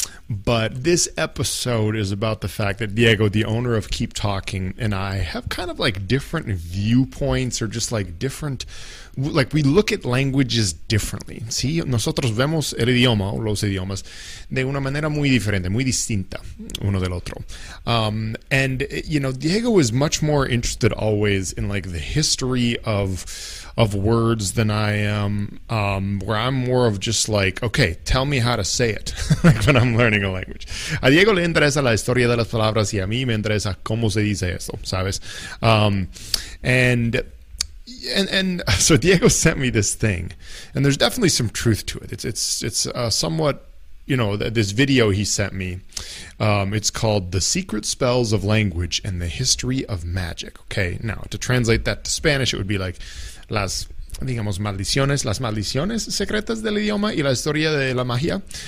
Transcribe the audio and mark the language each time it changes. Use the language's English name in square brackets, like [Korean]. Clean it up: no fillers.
[English] But this episode is about the fact that Diego, the owner of Keep Talking, and I have kind of like different viewpoints or just like different, like we look at languages differently. [Spanish] ¿Sí? Nosotros vemos el idioma o los idiomas de una manera muy diferente, muy distinta uno del otro. [English] And, you know, Diego is much more interested always in like the history of words than I am, where I'm more of just like, okay, tell me how to say it when I'm learning a language. [Spanish] A Diego le interesa la historia de las palabras y a mí me interesa cómo se dice eso, ¿sabes? [English] And so Diego sent me this thing, and there's definitely some truth to it. It's somewhat, you know, this video he sent me, it's called The Secret Spells of Language and the History of Magic. Okay, now to translate that to Spanish, it would be like, [Spanish] las, digamos, maldiciones secretas del idioma y la historia de la magia.